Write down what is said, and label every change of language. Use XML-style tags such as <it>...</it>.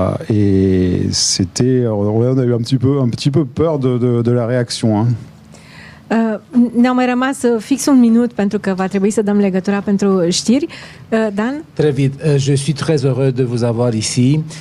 <fr>Et c'était, on a eu un petit peu peur de la réaction. Hein.</fr> <ro>Ne-a mai rămas fix un minut pentru că va trebui să dăm legătura pentru știri. Dan?</ro> <fr>Très vite. Je suis très heureux de vous avoir ici.</fr>